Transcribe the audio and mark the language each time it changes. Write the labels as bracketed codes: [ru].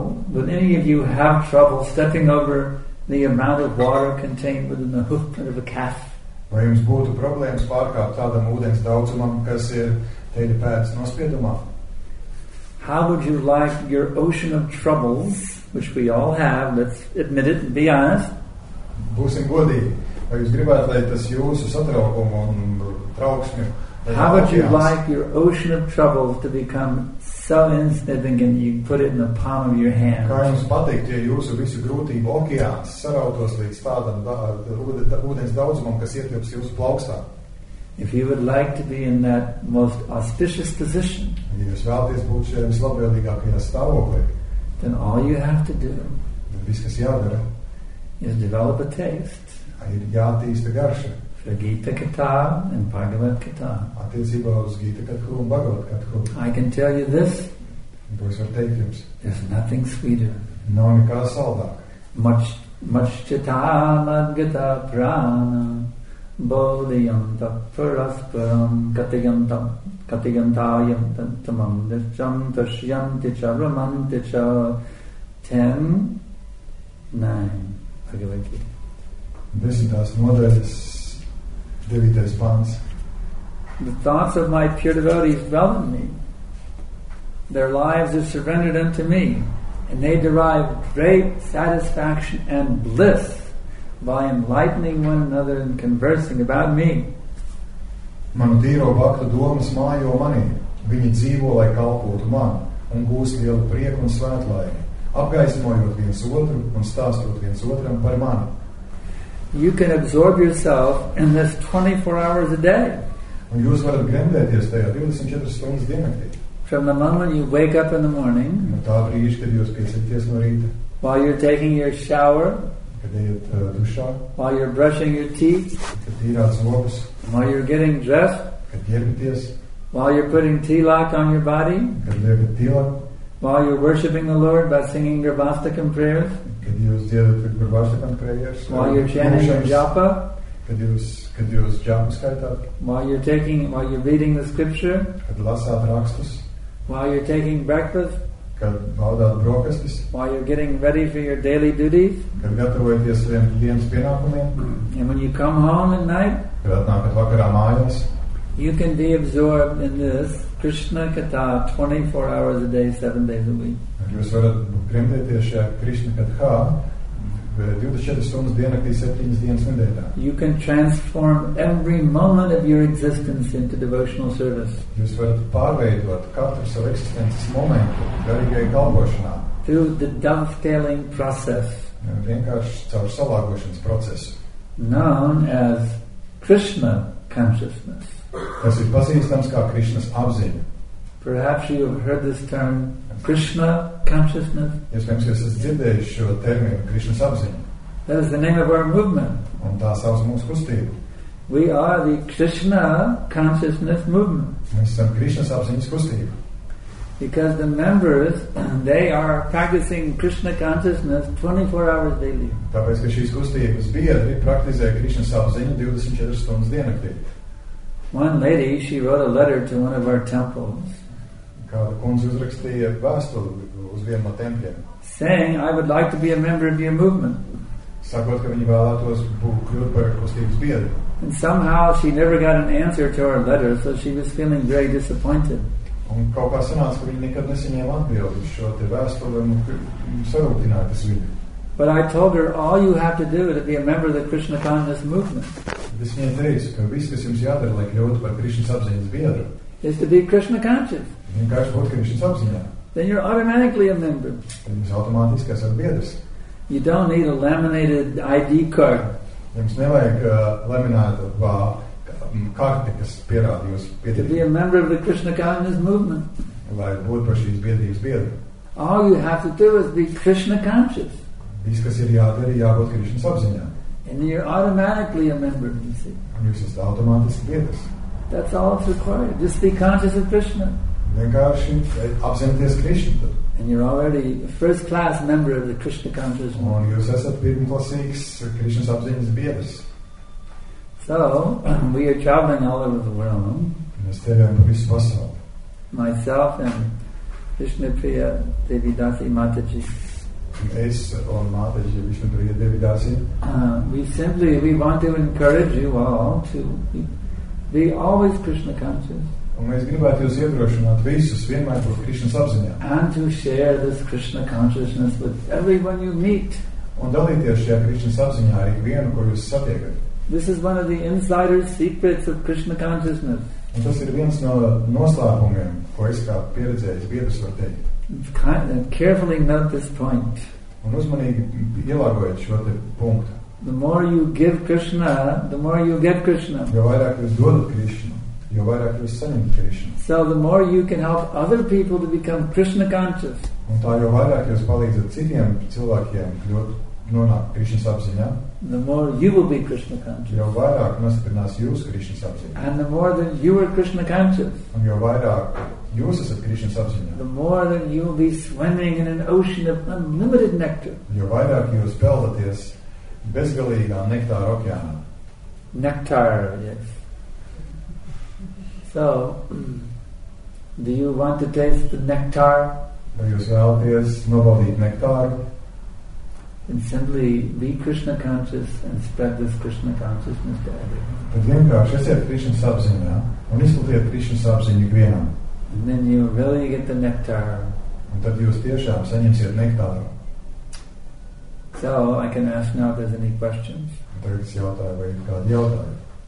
[en] Would any of you have trouble stepping over the amount of water contained within the hoofbed of a calf? [lv] Vai jums būtu problēmas pārkāpt tādam ūdens daudzumam, kas ir teļa pēdas nospiedumā? [en] How would you like your ocean of troubles, which we all have, let's admit it and be honest? [lv] Būsim godīgi. Vai jūs gribētu, lai tas jūsu satraukumu un trauksmi? [en] How would you like your ocean of troubles to become so insignificant you put it in the palm of your hand? [lv] Kā jums pateikt, ja jūsu visu grūtību okeāns sarautos līdz tādam ūdens daudzumam, kas ietilps jūsu plaukstā? [en] If you would like to be in that most auspicious position, [lv] ja jūs vēlaties būt šajā vislabvēlīgākajā stāvoklī, [en] then all you have to do, [lv] viss, kas jādara, [en] is develop a taste, [lv] ir jātīsta garša, [en] for Gita Katha and Bhagavad Katha. [lv] Attiecībā uz Gita Katha un Bhagavad Katha. [en] I can tell you this. [lv] Būs var teikt jums. [en] There's nothing sweeter. [lv] Nav nekā saldāk. [sa] Much chitā madgata prāna bodhiyam taparasparam katayantam katayantāyam tamam dirjam tashyam ticha raman ticha 10-9 Bhagavad Gita. [lv] Desitās nodaļas 9. pāns. [en] The thoughts of my pure devotees dwell in me. Their lives are surrendered unto me, and they derive great satisfaction and bliss by enlightening one another and conversing about me. [lv] Manu tīro bhakta domas mājo manī. Viņi dzīvo, lai kalpotu man, un gūst lielu prieku un svētlaimi, apgaismojot viens otru un stāstot viens otram par mani. [en] You can absorb yourself in this 24 hours a day. [lv] Un jūs varat grendēties tajā 24 stundas diennaktī. [en] From the moment you wake up in the morning. [lv] No tā brīža, kad jūs piecieties no rīta. [en] While you're taking your shower. [lv] Kad ejat dušā. [en] While you're brushing your teeth. [lv] Kad tīrāt zobus. [en] While you're getting dressed. [lv] Kad ģērbaties. [en] While you're putting tīlāk on your body. [lv] Kad liekat tīlāk. [en] While you're worshiping the Lord by singing Gurbhāstakam prayers. [lv] Kad jūs dziedat Gurbhāstakam [en] prayers. While you're chanting your japa. [lv] Kad jūs japa skaitāt. [en] While you're reading the scripture. [lv] Kad lasāt rakstus. [en] While you're taking breakfast. [lv] Kad baudāt brokastis. [en] While you're getting ready for your daily duties. [lv] Kad gatavojaties saviem dienas pienākumiem. [en] And when you come home at night. [lv] Kad atnākat vakarā mājās. [en] You can be absorbed in this Krishna katha 24 hours a day, 7 days a week. [lv] Jūs varat priemdēties šajā Krishna katha 24 stundas dienaktī, 7 dienas nedēļā. [en] You can transform every moment of your existence into devotional service. [lv] Jūs varat pārveidot katru savu eksistences momentu garīgajai kalpošanā. [en] Through the dovetailing process. [lv] Vienkārši caur salāgošanas procesu. [en] Known as Krishna consciousness. [lv] Tas ir pazīstams kā Krišnas apziņa. [en] Perhaps you have heard this term Krishna consciousness. [lv] Iespējams, jūs esat dzirdējuši šo terminu Krišnas apziņa. [en] That is the name of our movement. [lv] Un tā sauc mūsu kustību. [en] We are the Krishna consciousness movement. [lv] Mēs esam Krišnas apziņas kustība. [en] Because the members, they are practicing Krishna consciousness 24 hours daily. [lv] Tāpēc, ka šīs kustības biedri praktizē Krišnas apziņu 24 stundas dienaktī. [en] One lady, she wrote a letter to one of our temples. [lv] Kāda kundze uzrakstīja vēstuli uz vienu no tempļiem. [en] Saying, I would like to be a member of your movement. [lv] Sakot, ka viņa vēlētos būt kļūt par kustības biedri. [en] And somehow she never got an answer to our letter, so she was feeling very disappointed. [lv] Un kaut kā sanāca, ka viņa nekad nesaņēma atbildi uz šo te vēstuli un sarūtināja tas viņu. [en] But I told her, all you have to do is to be a member of the Krishna consciousness movement. [lv] Es viņai teicu, ka viss, kas jums jādara, lai kļūtu par Krišnas apziņas biedru, [en] is to be Krishna conscious. [lv] Vienkārši būt Krišnas apziņā. [en] Then you're automatically a member. [lv] Tad jūs automātiski esat biedrs. [en] You don't need a laminated ID card. [lv] Jums nevajag laminētu karti, kas pierāda jūs biedrību. [en] To be a member of the Krishna consciousness movement. [lv] Lai būt par šīs biedrības biedru. [en] All you have to do is be Krishna conscious. [lv] Viss, kas ir jādara, ir jābūt Krišnas apziņā. [en] And you're automatically a member, you see. [lv] Jūs esat automātiski biedrs. [en] That's all that's required. Just be conscious of Krishna. [lv] Vienkārši apzināties Krishna. [en] And you're already a first-class member of the Krishna consciousness. [lv] Un jūs esat pirmklasīgs Krishnas apziņas biedrs. [en] So, we are traveling all over the world. [lv] Mēs ceļojam pa visu pasauli. [en] Myself and Vishnupriya Devidasi Mataji. [lv] Es un Mātaži Vishnupriya Devidasi. [en] We want to encourage you all to be always Krishna conscious. [lv] Un mēs gribētu jūs iedrošināt visus vienmēr būt Krišnas apziņā. [en] And to share this Krishna consciousness with everyone you meet. [lv] Un dalīties šajā Krišnas apziņā ar ikvienu, ko jūs satiekat. [en] This is one of the insider secrets of Krishna consciousness. [lv] Un tas ir viens no noslēpumiem, ko es kā pieredzējis biedrs var teikt. [en] Kind of carefully note this point. [lv] Un uzmanīgi ielāgojiet šo te punktu. [en] The more you give Krishna, the more you get Krishna. [lv] Jo vairāk jūs dodat Krishna, jo vairāk jūs saņemat Krishna. [en] So the more you can help other people to become Krishna conscious. [lv] Un tā jo vairāk jūs palīdzat citiem cilvēkiem kļūt nonākt Krishnas apziņā. [en] The more you will be Krishna conscious. [lv] Jo vairāk nostiprinās jūs Krishnas apziņā. [en] And the more that you are Krishna conscious. [lv] Un jo vairāk jūs esat Krishnas apziņā. [en] The more that you will be swimming in an ocean of unlimited nectar. [lv] Jo vairāk jūs peldaties bezgalīgā nektāra okeānā. [en] Nectar, yes. So, do you want to taste the nectar? [lv] Vai jūs vēlaties nobaudīt nektāru? [en] And simply be Krishna conscious and spread this Krishna consciousness to everyone. [lv] Tad vienkārši esiet Krishnas apziņā un izplatiet Krishnas apziņu ikvienam. [en] And then you really get the nectar. [lv] Un tad jūs tiešām saņemsiet nektāru. [en] So, I can ask now if there's any questions. [lv] Tagad es jautāju, vai ir kādi jautājumi.